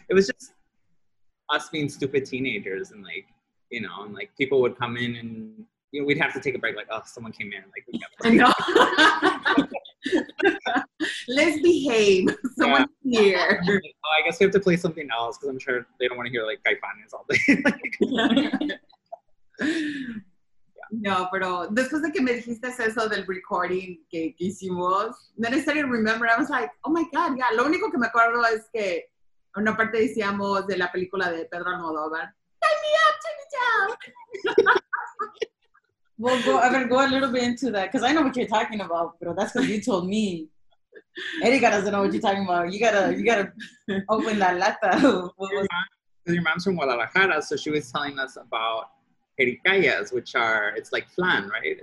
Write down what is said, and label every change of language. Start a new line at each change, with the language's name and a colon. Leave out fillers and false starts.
English: It was just us being stupid teenagers, and like, you know, and like people would come in and, you know, we'd have to take a break, like, oh, someone came in, like, we got to know. Let's behave. Someone's here. Oh, I guess we have to play something else because I'm sure they don't want to hear like Caifanes all day.
Spanish: No, pero después de que me dijiste eso del recording que hicimos, no necesariamente remember.
English: I was like, oh my god, yeah.
Spanish: Lo único que me acuerdo es que una parte decíamos de la película de Pedro Almodóvar, "Tie me up, tie me down."
English: Well, go a little bit into that, because I know what you're talking about, bro. That's because you told me. Erika doesn't know what you're talking about. You gotta open that lata. Your mom's from Guadalajara, so she was telling us about jericayas, which are, it's like flan, right?